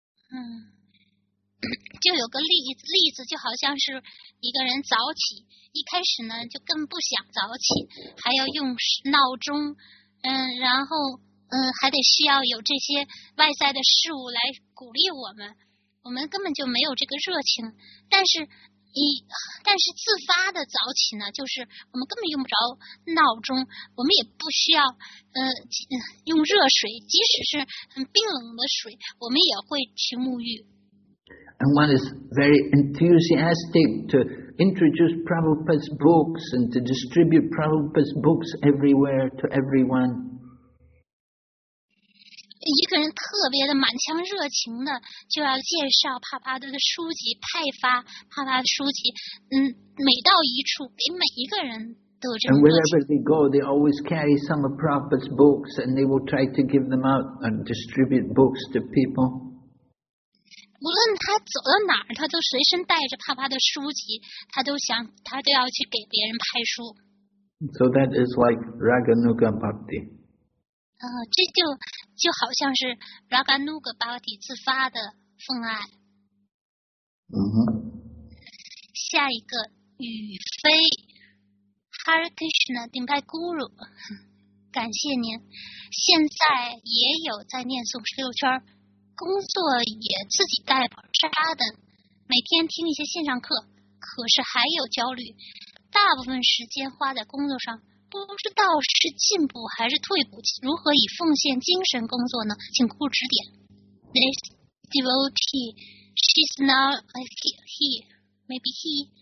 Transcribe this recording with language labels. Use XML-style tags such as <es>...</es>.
<zh>就有个例子，就好像是一个人早起，一开始呢就更不想早起，还要用闹钟，然后还得需要有这些外在的事物来鼓励我们，我们根本就没有这个热情。但是自发的早起呢，就是我们根本用不着闹钟，我们也不需要用热水，即使是很冰冷的水，我们也会去沐浴。</zh> <en>And one is very enthusiastic to introduce Prabhupada's books and to distribute Prabhupada's books everywhere to everyone.</en> <zh>一个人特别的满腔热情的就要介绍帕帕的书籍，派发帕帕的书籍，每到一处给每一个人都有这种热情。</zh> <en>And wherever they go, they always carry some of Prabhupada's books and they will try to give them out and distribute books to people.</en> <zh>无论他走到哪儿，他都随身带着帕帕的书籍，他都要去给别人派书。</zh> <en>So that is like Raganuga Bhakti.</en> <zh>这就好像是 Raganuga Bhakti 自发的奉爱。 Mm-hmm. 下一个雨飞 Hare Krishna Dimbai Guru， 感谢您，现在也有在念诵十六圈。工作也自己带本沙的，每天听一些线上课，可是还有焦虑，大部分时间花在工作上，不知道是进步还是退步，如何以奉献精神工作呢？请姑指点。</zh> <en>This devotee, she's not like he, maybe he.</en>